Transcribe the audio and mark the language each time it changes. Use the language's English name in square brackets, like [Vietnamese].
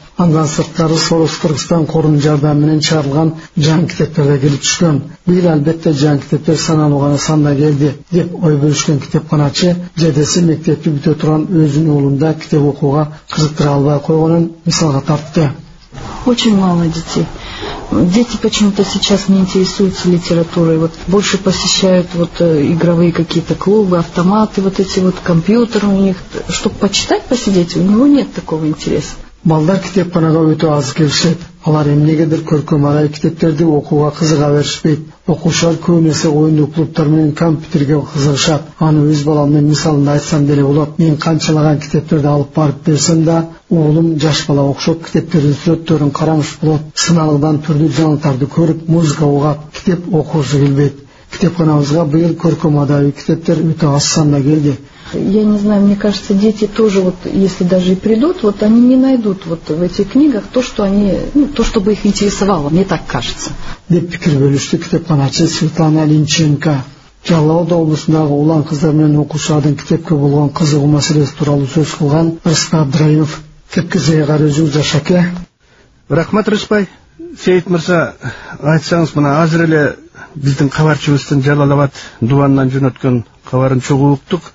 [Kyrgyz] Андан сырттары Солус Кыргызстан корунун жардамы менен чыгарылган жаңы китептер да келип түшкөн. Бир албетте жаңы китептер саналууганы санда келди деп ой бөлүшкөн китепканачы жердеси мектепти бүтө турган өзүнүн уулунда китеп окууга кызыктыра албай койгонун мисалга тартты. [Russian] Очень мало детей. Дети почему-то сейчас не интересуются литературой. Вот больше посещают вот игровые какие-то клубы, автоматы, вот эти вот компьютеры у них. Чтобы почитать, посидеть, у него нет такого интереса. [Kyrgyz] Балдар китепканага өтө аз келишет. Алар эмнегедир көркөм арай китептерди окууга кызыга беришпейт. Окуучулар көбүнесе оюндук клубтар менен компьютерге кызыгышат. Аны өз баламдын мисалында айтсам деле болот. Мен канчалаган китептерди алып барып берсем да, уулум жаш бала окшоп китептердин сүрөттөрүн карамыш болот. Сыналгыдан түрдүү жаңылыктарды көрүп, музыка угат, китеп окуусу келбейт. Китепканабызга быйыл көркөм адабий китептер өтө аз санда келди. [Russian] Я не знаю, мне кажется, дети тоже, вот, если даже и придут, вот они не найдут вот в этих книгах то, что они, ну, то, что бы их интересовало, мне так кажется. [Kyrgyz] Деп пикир бөлүштү китепканачы Светлана Линченко. Жалалда облусундагы улан кыздар менен окуучулардын китепке болгон кызыгуу маселеси тууралуу сөз кылган Рыска Абдраев. Кепкизеге өзүңүз жашаке. Рахмат Рыспай. Сейит мырза, айтсаңыз мына азыр эле биздин кабарчыбыздын Жалалабад дубанынан жөнөткөн кабарын чогуу уктук.